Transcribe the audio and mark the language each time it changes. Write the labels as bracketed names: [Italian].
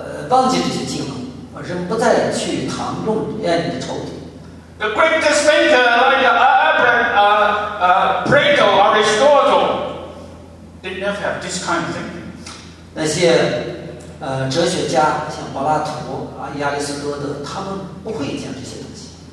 [Chinese] 忘记这些经文，而人不再去谈论爱你的仇敌。 [English] The greatest thinker like Plato, Aristotle, they never have this kind of thing. [Chinese] 那些哲学家像柏拉图啊、亚里士多德，他们不会讲这些东西。